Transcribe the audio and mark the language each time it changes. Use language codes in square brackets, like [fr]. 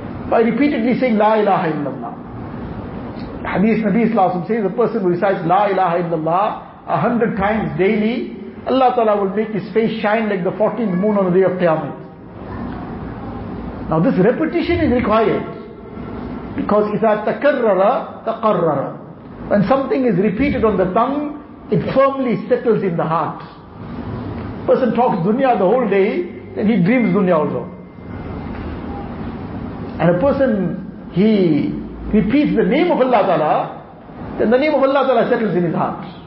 [en] By repeatedly saying, La ilaha illallah. Hadith Nabi Sallallahu Alaihi Wasallam says, a person who recites La ilaha illallah 100 times daily, Allah Ta'ala will make his face shine like the 14th moon on the day of Qiyamah. Now this repetition is required. [ar] Because إِذَا تَكَرَّرَ تَقَرَّرَ. [en] When something is repeated on the tongue, it firmly settles in the heart. Person talks dunya the whole day, then he dreams dunya also. And a person, he repeats the name of Allah Ta'ala, then the name of Allah Ta'ala settles in his heart.